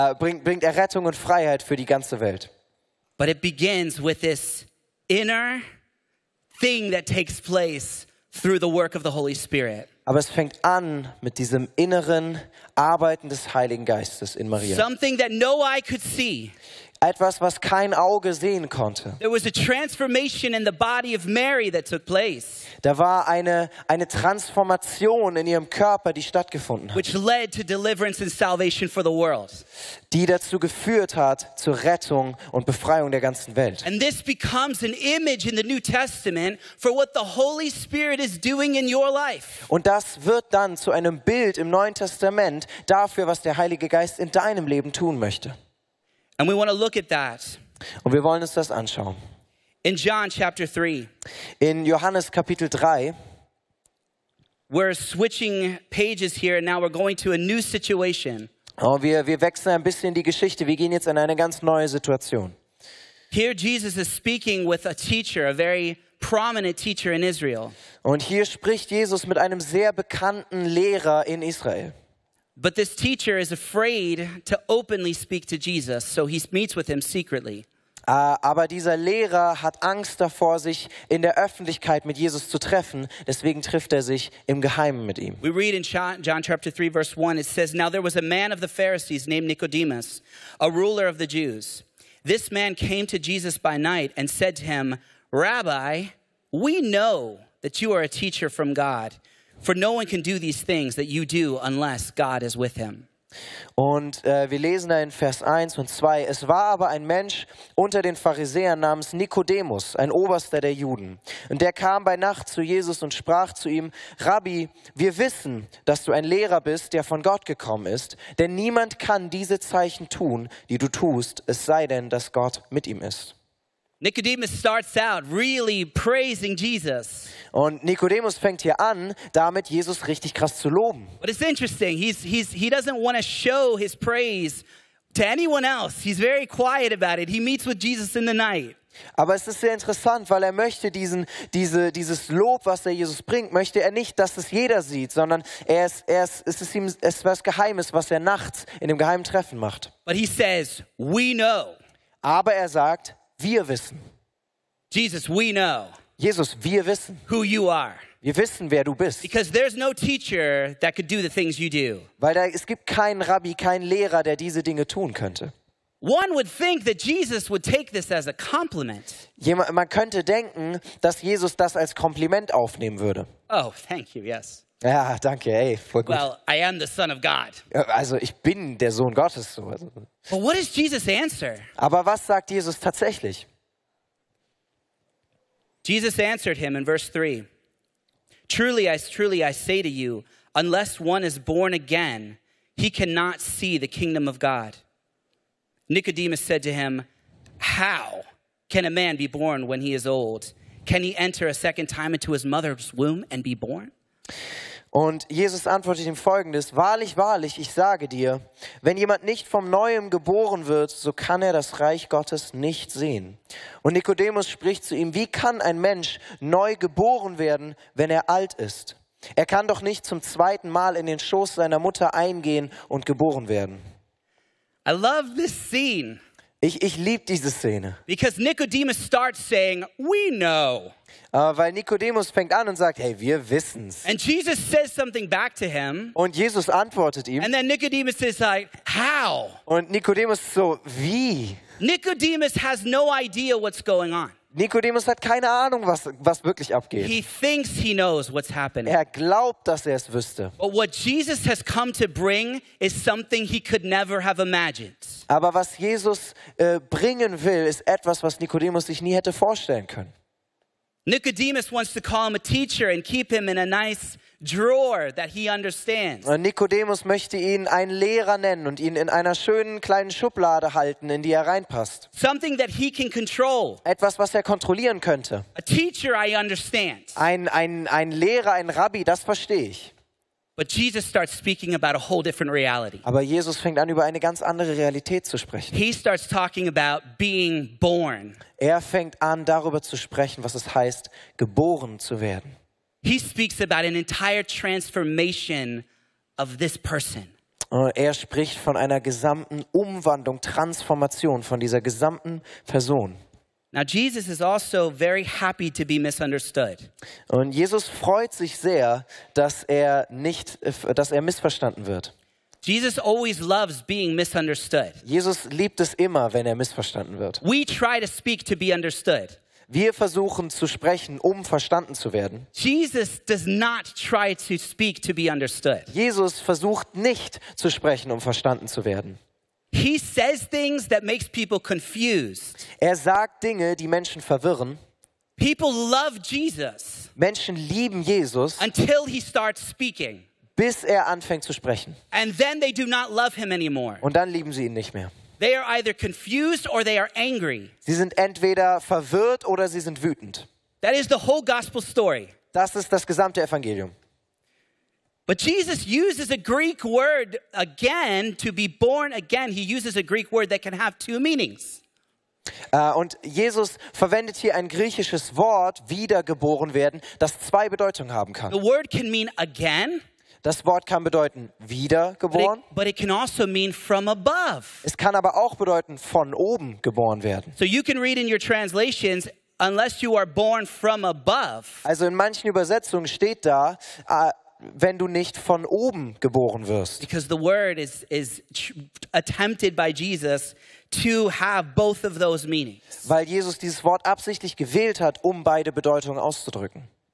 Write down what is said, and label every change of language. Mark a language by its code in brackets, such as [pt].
[de] Bringt Errettung und Freiheit für die ganze Welt. [en] But it begins with this inner thing that takes place through the work of the Holy Spirit. [de] Aber es fängt an mit diesem inneren Arbeiten des Heiligen Geistes in Maria. [en] Something that no eye could see. [de] Etwas, was kein Auge sehen konnte. [en] There was a transformation in the body of Mary that took place. [de] Da war eine Transformation in ihrem Körper, die stattgefunden hat. [en] Which led to deliverance and salvation for the world. [de] Die dazu geführt hat zur Rettung und Befreiung der ganzen Welt. [en] And this becomes an image in the New Testament for what the Holy Spirit is doing in your life. [de] Und das wird dann zu einem Bild im Neuen Testament dafür, was der Heilige Geist in deinem Leben tun möchte. [en] And we want to look at that. [de] Und wir wollen uns das anschauen. [en] In John chapter 3. [de] In Johannes Kapitel 3. [en] We're switching pages here and now we're going to a new situation. [de] Oh, wir wechseln ein bisschen die Geschichte. Wir gehen jetzt in eine ganz neue Situation. [en] Here Jesus is speaking with a teacher, a very prominent teacher in Israel. [de] Und hier spricht Jesus mit einem sehr bekannten Lehrer in Israel. [en] But this teacher is afraid to openly speak to Jesus, so he meets with him secretly. [de] Aber dieser Lehrer hat Angst davor, sich in der Öffentlichkeit mit Jesus zu treffen, deswegen trifft sich im Geheimen mit ihm. [en] We read in John chapter 3 verse 1, it says, now there was a man of the Pharisees named Nicodemus, a ruler of the Jews. This man came to Jesus by night and said to him, Rabbi, we know that you are a teacher from God. For no one can do these things that you do unless God is with him. [de] Und wir lesen da in Vers 1 und 2. Es war aber ein Mensch unter den Pharisäern namens Nikodemus, ein Oberster der Juden. Und der kam bei Nacht zu Jesus und sprach zu ihm, Rabbi, wir wissen, dass du ein Lehrer bist, der von Gott gekommen ist. Denn niemand kann diese Zeichen tun, die du tust, es sei denn, dass Gott mit ihm ist. [en] Nicodemus starts out really praising Jesus. [de] Und Nikodemus fängt hier an, damit Jesus richtig krass zu loben. [en] But it's interesting. He doesn't want to show his praise to anyone else. He's very quiet about it. He meets with Jesus in the night. [de] Aber es ist sehr interessant, weil er möchte dieses Lob, was er Jesus bringt, möchte er nicht, dass es jeder sieht, sondern es ist was Geheimes, was er nachts in dem geheimen Treffen macht. [en] But he says, we know. [de] Aber er sagt, wir wissen. [en] Jesus, we know. [de] Jesus, wir wissen. [en] Who you are. [de] Wir wissen, wer du bist. [en] Because there's no teacher that could do the things you do. [de] Weil es gibt keinen Rabbi, keinen Lehrer, der diese Dinge tun könnte. [en] One would think that Jesus would take this as a compliment. [de] Man könnte denken, dass Jesus das als Kompliment aufnehmen würde. [en] Oh, thank you, yes. [de] Ja, danke, ey, voll gut. [en] Well, I am the son of God. [de] Also, ich bin der Sohn Gottes. [en] But what does Jesus answer? [de] Aber was sagt Jesus tatsächlich? [en] Jesus answered him in verse 3. Truly, I say to you, unless one is born again, he cannot see the kingdom of God. Nicodemus said to him, how can a man be born when he is old? Can he enter a second time into his mother's womb and be born? [de] Und Jesus antwortet ihm folgendes, wahrlich, wahrlich, ich sage dir, wenn jemand nicht vom Neuem geboren wird, so kann er das Reich Gottes nicht sehen. Und Nicodemus spricht zu ihm, wie kann ein Mensch neu geboren werden, wenn er alt ist? Er kann doch nicht zum zweiten Mal in den Schoß seiner Mutter eingehen und geboren werden. [en] I love this scene. [de] Ich liebe diese Szene. [en] Because Nicodemus starts saying, "We know." [de] Weil Nicodemus fängt an und sagt, hey, wir wissen's. [en] And Jesus says something back to him. [de] Und Jesus antwortet ihm. [en] And then Nicodemus is like, "How?" [de] Und Nicodemus so, wie? [en] Nicodemus has no idea what's going on. [de] Nicodemus hat keine Ahnung, was wirklich abgeht. [en] He thinks he knows what's happening. [de] Er glaubt, dass er es wüsste. [en] But what Jesus has come to bring is something he could never have imagined. [de] Aber was Jesus bringen will, ist etwas, was Nicodemus sich nie hätte vorstellen können. [en] Nicodemus wants to call him a teacher and keep him in a nice drawer that he understands. [de] Und Nicodemus möchte ihn einen Lehrer nennen und ihn in einer schönen kleinen Schublade halten, in die er reinpasst. [en] Something that he can control. [de] Etwas, was er kontrollieren könnte. [en] A teacher, I understand. [de] Ein Lehrer, ein Rabbi, das verstehe ich. [en] But Jesus starts speaking about a whole different reality. [de] Aber Jesus fängt an, über eine ganz andere Realität zu sprechen. [en] He starts talking about being born. [de] Er fängt an, darüber zu sprechen, was es heißt, geboren zu werden. [en] He speaks about an entire transformation of this person. [de] Er spricht von einer gesamten Umwandlung, Transformation von dieser gesamten Person. [en] Now Jesus is also very happy to be misunderstood. [de] Und Jesus freut sich sehr, dass er missverstanden wird. [en] Jesus always loves being misunderstood. [de] Jesus liebt es immer, wenn er missverstanden wird. [en] We try to speak to be understood. [de] Wir versuchen zu sprechen, um verstanden zu werden. [en] Jesus does not try to speak to be understood. [de] Jesus versucht nicht zu sprechen, um verstanden zu werden. [en] He says things that makes people confused. [de] Er sagt Dinge, die Menschen verwirren. [en] People love Jesus. [de] Menschen lieben Jesus. [en] Until he starts speaking. [de] Bis er anfängt zu sprechen. [en] And then they do not love him anymore. [de] Und dann lieben sie ihn nicht mehr. [en] They are either confused or they are angry. [de] Sie sind entweder verwirrt oder sie sind wütend. [en] That is the whole gospel story. [de] Das ist das gesamte Evangelium. [en] But Jesus uses a Greek word again to be born again. He uses a Greek word that can have two meanings. [de] Und Jesus verwendet hier ein griechisches Wort, wiedergeboren werden, das zwei Bedeutungen haben kann. [en] The word can mean again. [de] Das Wort kann bedeuten wiedergeboren. [en] But it can also mean from above. [de] Es kann aber auch bedeuten von oben geboren werden. [en] So you can read in your translations, unless you are born from above. [de] Also in manchen Übersetzungen steht da, wenn du nicht von oben geboren wirst. [en] Because the word is attempted by Jesus to have both of those meanings. [de] Weil Jesus dieses Wort absichtlich gewählt hat, um beide Bedeutungen auszudrücken.